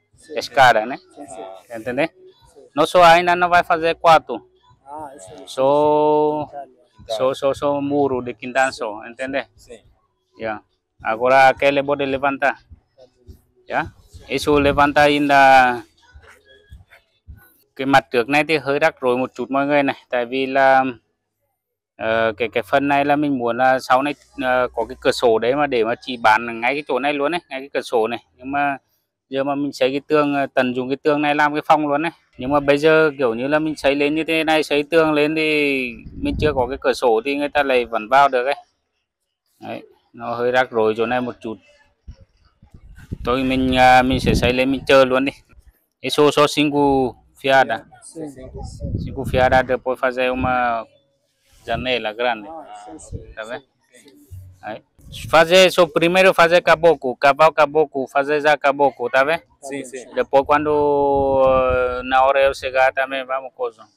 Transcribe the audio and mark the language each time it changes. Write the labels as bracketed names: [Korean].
[Portuguese] Sim. Escara, né? Sim, sim. Entendeu? Não, só ainda não vai fazer quatro. Ah, isso aí. Só muro de quintal só, entendeu? Sim. Yeah. Agora aquele pode levantar. Yeah? Isso levanta ainda. [Vietnamese] Cái mặt trước này thì hơi rắc rối một chút mọi người này, tại vì là cái phần này là mình muốn là sau này có cái cửa sổ đấy mà để mà chỉ bán ngay cái chỗ này luôn này, ngay cái cửa sổ này, nhưng mà giờ mà mình xây cái tường, tận dụng cái tường này làm cái phòng luôn này, nhưng mà bây giờ kiểu như là mình xây lên như thế này, xây tường lên thì mình chưa có cái cửa sổ thì người ta lại vẫn vào được ấy. Đấy, nó hơi rắc rối chỗ này một chút. Thôi mình sẽ xây lên mình chờ luôn đi. Cái số xinh của fiada. [Portuguese] Sim. Cinco fiadas, depois fazer uma janela grande. Sim, sim, tá vendo? Fazer só primeiro fazer caboclo, cavar o caboclo, fazer já caboclo, tá vendo? Sim, sim. Depois quando na hora eu chegar também vamos coisa.